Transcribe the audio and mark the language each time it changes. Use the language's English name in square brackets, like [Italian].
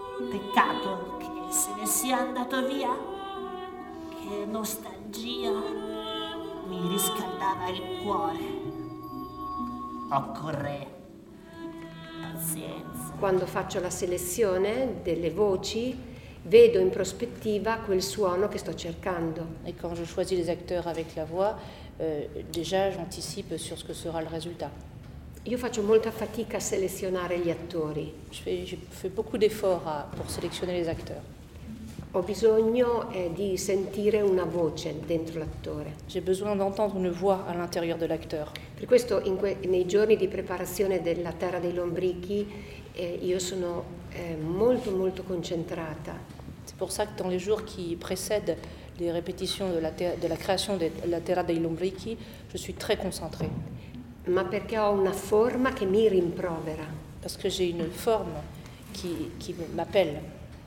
[Italian] Peccato che se ne sia andato via. Che nostalgia mi riscaldava il cuore. Occorre pazienza. Quando faccio la selezione delle voci, vedo in prospettiva quel suono che sto cercando. E quando [French] je choisis les acteurs avec la voix, déjà j'anticipe sur ce que sera le résultat. [Italian] Io faccio molta fatica a selezionare gli attori. [French] Je fais beaucoup d'efforts pour sélectionner les acteurs. [Italian] Ho bisogno di sentire una voce dentro l'attore. [French] J'ai besoin d'entendre une voix à l'intérieur de l'acteur. [Italian] Per questo nei giorni di preparazione della Terra dei Lombrichi io sono molto molto concentrata. [French] C'est pour ça que dans les jours qui précèdent les répétitions de la création de la Terra dei Lombrichi, je suis très concentrée. [Italian] Ma perché ho una forma che mi rimprovera. [French] Parce que j'ai une forme qui m'appelle.